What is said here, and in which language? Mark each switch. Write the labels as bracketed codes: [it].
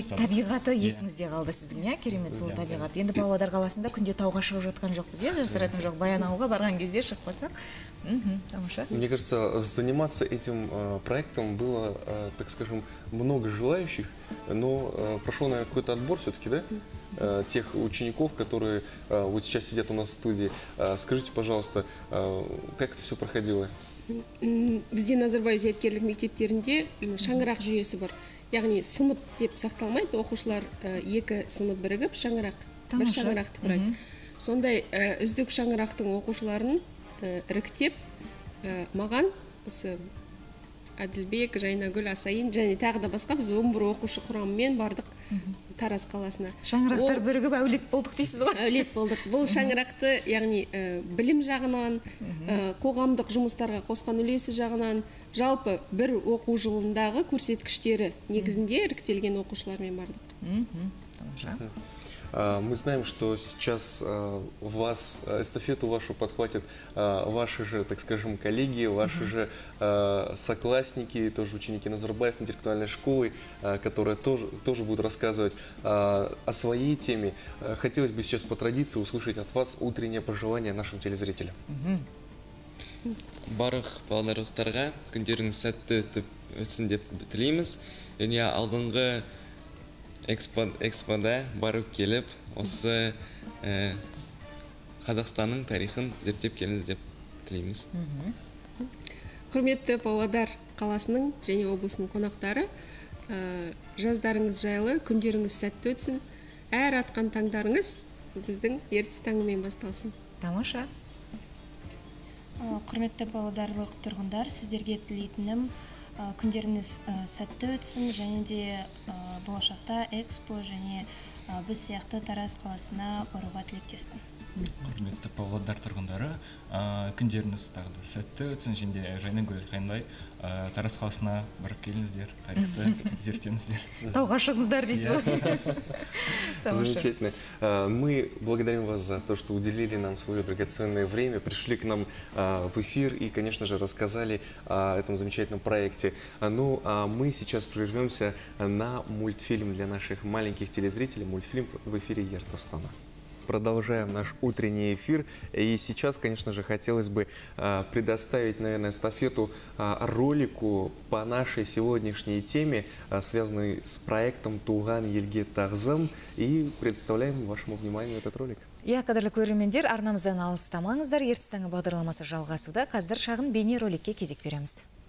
[kk] Демек, табиғаты есіңізде қалды сіздің, ә? Керемет сол табиғат. Енді Павлодар қаласында күнде тауға шығып жатқан жоқпыз, ә? Жасыратын жоқ, Баянауылға барған кезде шықпасақ. [ru] Мне кажется, заниматься этим проектом было, так скажем, много желающих, но прошло, наверное, какой-то отбор все-таки, да? Тех учеников, которые вот сейчас сидят у нас в студии. Скажите, пожалуйста, как это все проходило? [kk] Бізде Назарбаев зияткерлік мектептерінде шаңырақ жүйесі бар. Яғни сынып деп сақталмайды, оқушылар екі сынып бірігіп шаңырақ, бір шаңырақты құрайды. Сондай үздік шаңырақтың оқушыларын іріктеп, маған осы Әділбек, Жайнагүл, Асайын және тағы да басқа біз 11 оқушы құрамымен бардық Тараз қаласына. Шаңырақтар бірігіп әулет болдық дейсіз ғой? Әулет болдық. Бұл шаңырақты, яғни білім жағынан, қоғамдық жұмыстарға қосқан үлесі жағынан, жалпы бір оқу жылындағы көрсеткіштері негізінде іріктелген оқушылармен бардық. [ru] Мы знаем, что сейчас вас, эстафету вашу подхватят ваши же, так скажем, коллеги, ваши же соклассники, тоже ученики Назарбаев интеллектуальной школы, которые тоже будут рассказывать о своей теме. Хотелось бы сейчас по традиции услышать от вас утреннее пожелание нашим телезрителям. [kk] Барых, балдарых тарға, күндеріңіз сәтті өтіп өтсін деп тілейміз. Және алдыңғы Экспода барып келіп, осы Қазақстанның тарихын зерттеп келіңіз деп тілейміз. Құрметті Павлодар қаласының және облысының қонақтары, жаздарыңыз жайлы, күндеріңіз сәтті өтсін. Әр атқан таңдарыңыз біздің ертіс таңымен басталсын. Тамаша. Құрметті павлодарлық тұрғындар, сіздерге тілейтінім күндеріңіз сәтті өтсін, және де болашақта экспо және біз сияқты Тараз қаласына баруға тілектеспін. Құрметті Павлодар тұрғындары, күндеріңіз тағы сәтті өтсін, және жайна гүл қайындай, Тараз қаласына барып келіңіздер, тарихты зерттеңіздер. Тауға шығыңыздар дейсіз. [ru] Замечательно. Мы благодарим вас за то, что уделили нам свое драгоценное время, пришли к нам в эфир и, конечно же, рассказали о этом замечательном проекте. Ну, а мы сейчас прервемся на мультфильм для наших маленьких телезрителей, мультфильм в эфире Ертастана. Продолжаем наш утренний эфир. И сейчас, конечно же, хотелось бы предоставить, наверное, эстафету ролику по нашей сегодняшней теме, связанной с проектом «Туған елге тағзым». И представляем вашему вниманию этот ролик. [kk] Я, қадырлы көрермендер, арнамыздан алыстамаңыздар. Ертістің бағдарламасы жалғасуда. Қазір шағын бейне роликке кезек береміз.